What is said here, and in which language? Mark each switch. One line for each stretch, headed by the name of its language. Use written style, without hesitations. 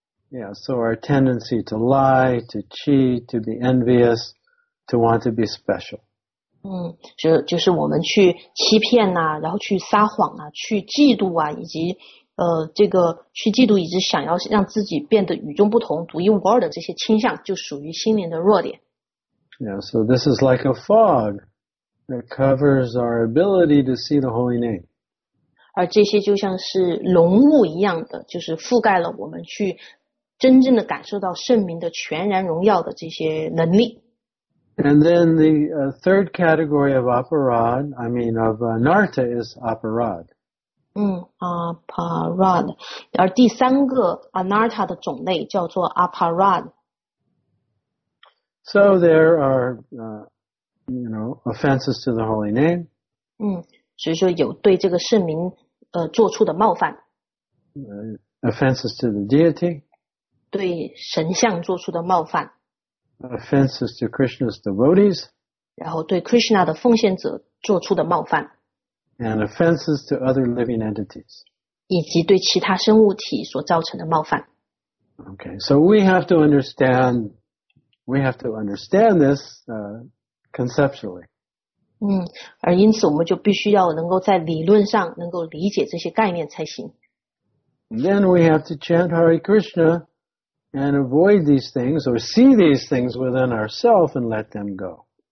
English: Yeah, so our tendency to lie, to cheat, to be envious, to want to be special.
Chinese: 就是我们去欺骗呐，然后去撒谎啊，去嫉妒啊，以及这个去嫉妒，以及想要让自己变得与众不同、独一无二的这些倾向，就属于心灵的弱点。
English: Yeah, so this is like a fog that covers our ability to see the Holy Name.
Chinese: 而这些就像是浓雾一样的，就是覆盖了我们去真正的感受到圣名的全然荣耀的这些能力。
English: And then the third category of aparad, I mean of anartha is aparad.
Chinese: Aparad，而第三个 anartha 的种类叫做 aparad。
English: So there are, offenses to the Holy Name.
Chinese: 所以说有对这个圣名做出的冒犯，
English: Offenses to the deity.
Chinese: 对神像做出的冒犯，
English: Offenses to Krishna's devotees.
Chinese: 然后对 Krishna 的奉献者做出的冒犯。
English: And offenses to other living entities.
Chinese: 以及对其他生物体所造成的冒犯。
English: Okay, so we have to understand this conceptually.
Chinese: 而因此我们就必须要能够在理论上能够理解这些概念才行。
English: Then we have to chant Hare Krishna and avoid these things or see these things within ourselves and let them go.